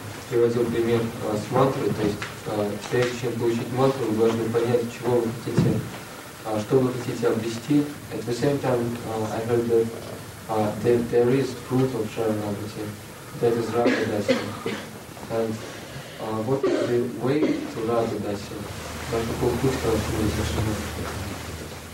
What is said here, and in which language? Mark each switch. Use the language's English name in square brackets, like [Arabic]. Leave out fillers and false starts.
[Russian] Приводил пример с мантрой, то есть прежде чем получить мантру, вы должны понять, чего вы хотите, что вы хотите обрести. [English] At the same time, I heard that there is fruit of Sharanagati, that is Radha Dasya. And what is the way to Radha Dasya? [Russian] Какой путь к Радха Дасья?